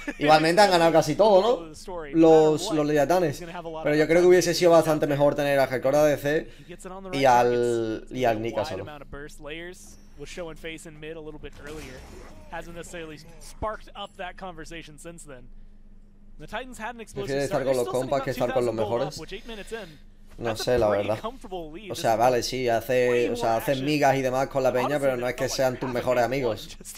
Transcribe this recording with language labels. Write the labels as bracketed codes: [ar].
[es] Igualmente han ganado casi todo, ¿no? Los Leviatanes. Pero yo creo que hubiese sido bastante mejor tener a Hardcore ADC y al Nika solo. [en] Was showing face in mid a little bit earlier. Hasn't necessarily sparked up that conversation since then. The Titans had an explosive start. [es] Estar con los compas que estar con los mejores. No sé, la verdad. O sea, vale, sí, hacen migas y demás con la peña, pero no es que sean tus mejores amigos.